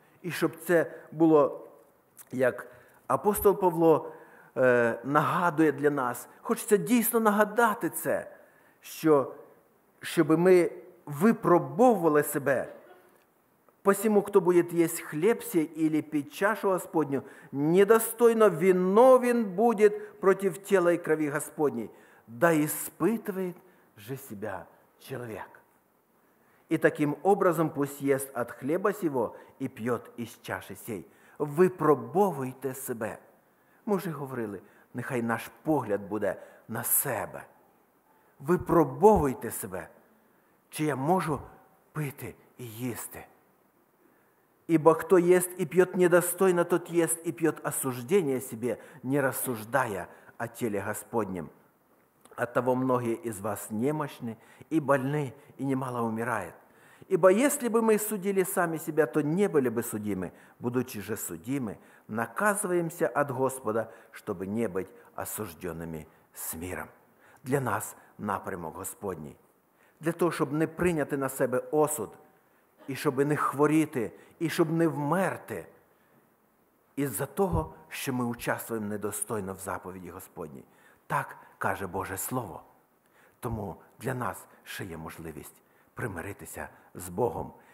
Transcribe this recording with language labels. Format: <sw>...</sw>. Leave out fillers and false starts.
<uk>І щоб це було, як апостол Павло нагадує для нас, хочеться дійсно нагадати це, що, щоб ми випробовували себе, посіму, хто буде їсть хліб сій ілі під чашу Господню, недостойно виновен буде проти тіла і крові Господній.</uk> <ru>Да испытывает же себя человек. И таким образом пусть ест от хлеба сего и пьет из чаши сей.</ru> <uk>Випробовуйте себе. Ми вже говорили, нехай наш погляд буде на себе. Випробовуйте себе, чи я можу пити і їсти.</uk> <ru>Ибо хто ест і п'є недостойно, тот ест і п'є осуждение себе, не рассуждая о теле Господнем. Оттого многие из вас немощны и больны, и немало умирает. Ибо если бы мы судили сами себя, то не были бы судимы. Будучи же судимы, наказываемся от Господа, чтобы не быть осужденными с миром.</ru> <uk>Для нас напрямок Господний. Для того, щоб не прийняти на себе осуд, і щоб не хворіти, і щоб не вмерти із-за того, що ми участвуємо недостойно в заповіді Господній. Так каже Боже Слово. Тому для нас ще є можливість примиритися з Богом.</uk>